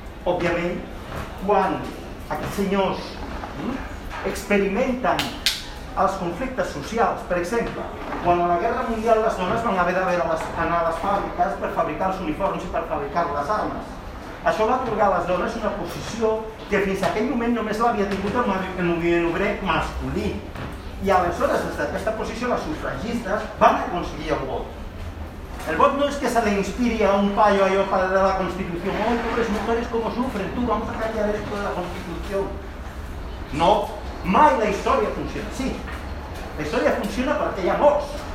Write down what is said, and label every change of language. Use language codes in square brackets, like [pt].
[ca] Òbviament, quan aquests senyors experimenten els conflictes socials, per exemple, quan a la Guerra Mundial les dones van haver d'anar a les fàbriques per fabricar els uniformes i per fabricar les armes, això va atorgar a les dones una posició que fins aquell moment només l'havia tingut el moviment obrer masculí. I aleshores, des d'aquesta posició, les sufragistes van aconseguir el vot. El vot no és que se li inspiri a un paio allò de la Constitució. [es] Oh, pobres mujeres, com sufren, tu, vamos a callar esto de la Constitució. [ca] No, mai la història funciona així. Sí, la història funciona perquè hi ha morts.